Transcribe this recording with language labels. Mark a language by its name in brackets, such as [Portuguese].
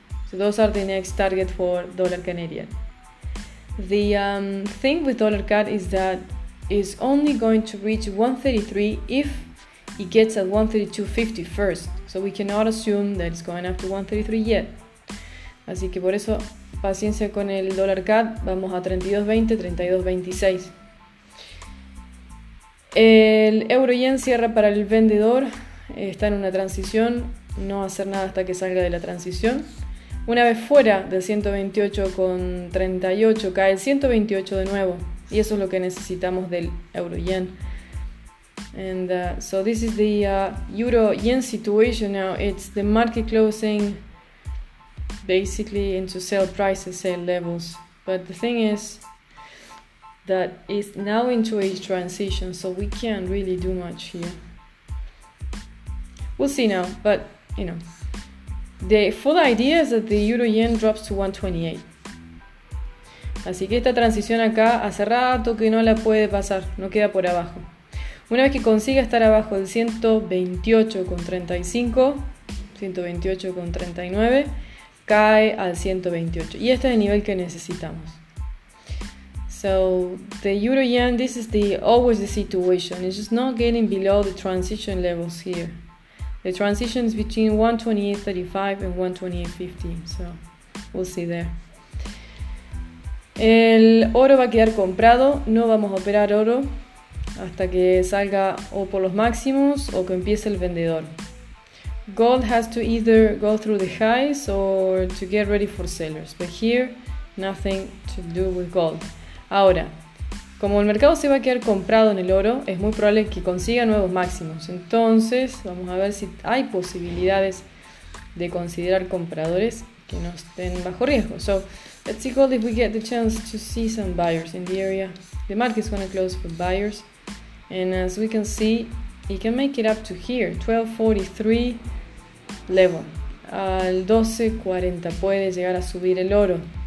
[English] So those are the next target for dollar Canadian. The thing with dollar CAD is that is only going to reach 1.33 if it gets at 1.3250 first. So we cannot assume that it's going up to 1.33 yet. [Spanish] Así que por eso, paciencia con el dólar CAD, vamos a 32.20, 32.26. El euro yen cierra para el vendedor, está en una transición, no va a hacer nada hasta que salga de la transición. Una vez fuera del 128.38, cae el 128 de nuevo. Y eso es lo que necesitamos del euro yen. [English] And so this is the euro yen situation now. It's the market closing basically into sell prices, sell levels. But the thing is that it's now into a transition, so we can't really do much here. We'll see now, but you know, the full idea is that the euro yen drops to 1.28. [Spanish] Así que esta transición acá, hace rato que no la puede pasar, no queda por abajo. Una vez que consiga estar abajo del 128,35, 128,39, cae al 128. Y este es el nivel que necesitamos. [English] So, the Euro-Yen, this is the always the situation. It's just not getting below the transition levels here. The transition is between 128.35 and 128.50. So, we'll see there. [Spanish] El oro va a quedar comprado. No vamos a operar oro hasta que salga o por los máximos o que empiece el vendedor. [English] Gold has to either go through the highs or to get ready for sellers. But here, nothing to do with gold. [Spanish] Ahora, como el mercado se va a quedar comprado en el oro, es muy probable que consiga nuevos máximos. Entonces, vamos a ver si hay posibilidades de considerar compradores que no estén bajo riesgo. [English] So, let's see gold if we get the chance to see some buyers in the area. The market is going to close for buyers. And as we can see, it can make it up to here, 1243 level. [Spanish] Al 1240 puede llegar a subir el oro.